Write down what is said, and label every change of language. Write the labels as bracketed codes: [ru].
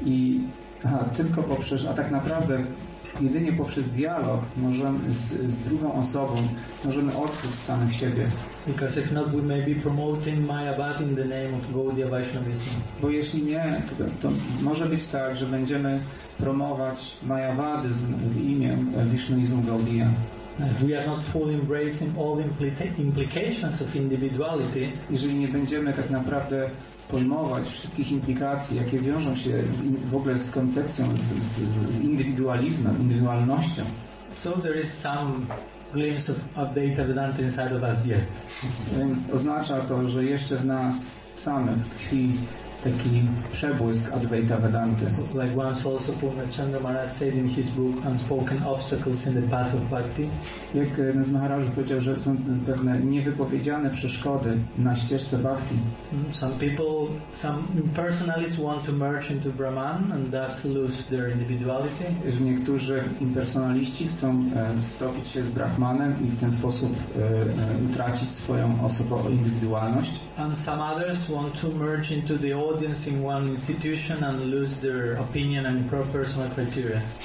[pl] I tylko poprzez, a tak naprawdę jedynie poprzez dialog możemy z drugą osobą możemy odkryć samych siebie. [en] Because if not, we may be promoting Mayavad in the name of Gaudiya Vaishnavism. [pl] Bo jeśli nie, to może być tak, że będziemy promować Mayavadyzm w imię Wisznuizmu Gaudiya. [en] If we are not fully embracing all the implications of individuality, [pl] jeżeli nie będziemy tak naprawdę pojmować wszystkich implikacji, jakie wiążą się w ogóle z koncepcją, z indywidualizmem, indywidualnością. [en] So there is some glimpse of Advaita Vedanta inside of us yet. [pl] Oznacza to, że jeszcze w nas samych tkwi taki przebłysk Advaita Vedanta. [en] Like once also Purnachandra Maharaj said in his book Unspoken Obstacles in the Path of Bhakti. [pl] Jak z Maharaj powiedział, że są pewne niewypowiedziane przeszkody na ścieżce Bhakti. [en] Some people, some impersonalists want to merge into Brahman and thus lose their individuality. [pl] Niektórzy impersonaliści chcą stopić się z Brahmanem i w ten sposób utracić swoją osobową indywidualność. [en] And some others want to merge into the audience in one institution and lose their opinion and personal criteria.